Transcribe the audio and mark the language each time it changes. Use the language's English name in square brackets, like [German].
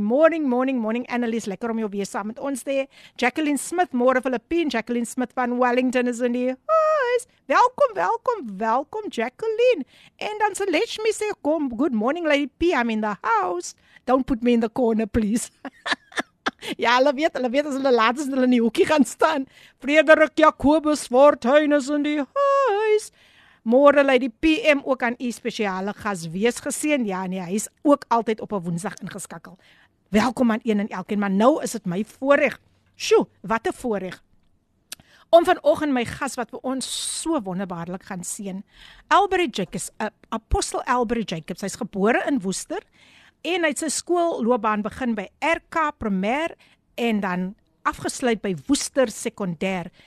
[Afrikaans] Morning Annelies, lekker om jou weer saam met ons te hê. Jacqueline Smith, môre Filippine, Jacqueline Smith van Wellington is in die huis. Welkom Jacqueline. En dan sê Lechmi sê kom, [English] good morning lady P, I'm in the house. Don't put me in the corner, please. [Afrikaans] Ja, hulle weet, as hulle laat is, hulle in die hoekie gaan staan. Frederik Jacobus Voorthuin is in die huis. Môre lei die PM ook aan u spesiale gas. Wees geseën. Ja, nee, hy is ook altyd op 'n woensdag ingeskakel. Welkom aan een en elkeen, maar nou is dit my voorreg. Sjoe, wat 'n voorreg. Om vanoggend my gas wat vir ons so wonderbaarlik gaan seën. Albert Jacobs, apostel Albert Jacobs. Hy's gebore in Woester. En hy het sy skoolloopbaan begin by RK Primêr en dan afgesluit by Woester Sekondêr.